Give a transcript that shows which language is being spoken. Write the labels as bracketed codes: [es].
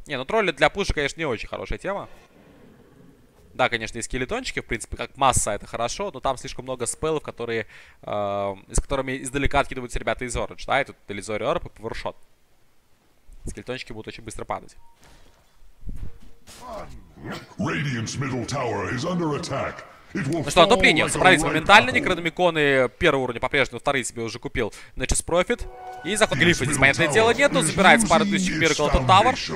[ru] Не, ну тролли для пуши, конечно, не очень хорошая тема. Да, конечно, есть скелетончики. В принципе, как масса, это хорошо. Но там слишком много спеллов, которые... с которыми издалека откидываются ребята из Orange. Да, и тут Delizori Orb и Powershot. Скелетончики будут очень быстро падать. [en] Radiance middle tower is under attack. [ru] Ну что, отопление. Собрались моментально. Некрономиконы первый уровень по-прежнему, второй себе уже купил. Начис профит. И заход глифа здесь, понятное дело, нету. Забирается пара тысяч Миркл, это Тауэр.